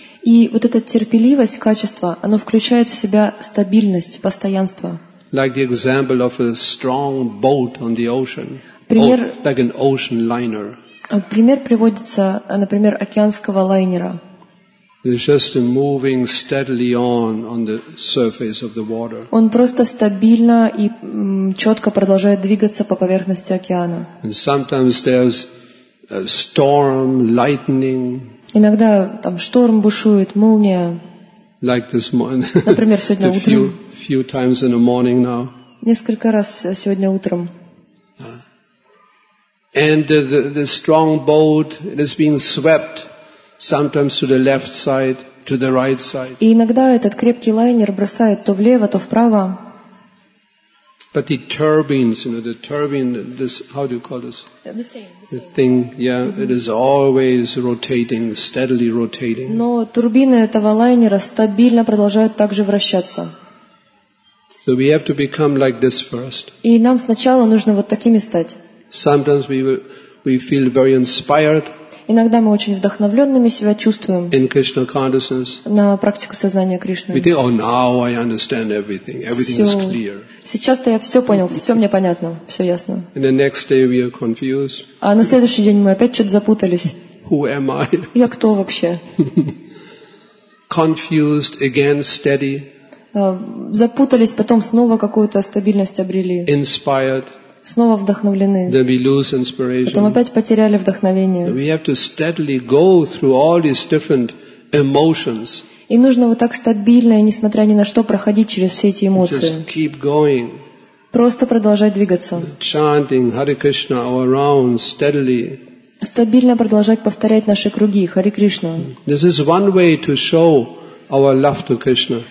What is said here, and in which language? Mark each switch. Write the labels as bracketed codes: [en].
[ru] И вот эта терпеливость, качество, оно включает в себя стабильность, постоянство. [en] Like the example of a strong boat on the ocean. Like an ocean liner. [ru] Пример приводится, например, океанского лайнера. [en] It's just moving steadily on the surface of the water. [ru] Он просто стабильно и четко продолжает двигаться по поверхности океана. [en] And sometimes there's a storm, lightning. [ru] Иногда там шторм бушует, молния. [en] Like this morning. [ru] Например, сегодня утром. [en] Few times in the morning now. [ru] Несколько раз сегодня утром. [en] And the strong boat is being swept sometimes to the left side, to the right side. [ru] И иногда этот крепкий лайнер бросает то влево, то вправо. [en] But the turbines, you know, the turbine, this, how do you call this? The same. The thing, yeah, mm-hmm. It is always rotating, steadily rotating. [ru] Но турбины этого лайнера стабильно продолжают также вращаться. [en] So we have to become like this first. [ru] И нам сначала нужно вот такими стать. [en] Sometimes we feel very inspired. [ru] Иногда мы очень вдохновленными себя чувствуем. [en] In Krishna consciousness. [ru] На практику сознания Кришны. [en] We think, oh, now I understand everything. Everything is clear. [ru] Сейчас-то я все понял, все мне понятно, все ясно. [en] And the next day we are confused. [ru] А на следующий день мы опять что-то запутались. [en] Who am I? [ru] Я кто вообще? [en] Confused again, steady. [ru] Запутались, потом снова какую-то стабильность обрели. [en] Inspired. [ru] Снова вдохновлены. [en] Then we lose inspiration. [ru] Потом опять потеряли вдохновение. [en] We have to steadily go through all these different emotions. [ru] И нужно вот так стабильно и несмотря ни на что проходить через все эти эмоции. [en] Just keep going. [ru] Просто продолжать двигаться. [en] Chanting Hare Krishna our rounds steadily. [ru] Стабильно продолжать повторять наши круги Хари Кришна. [en] This is one way to show our love to Krishna.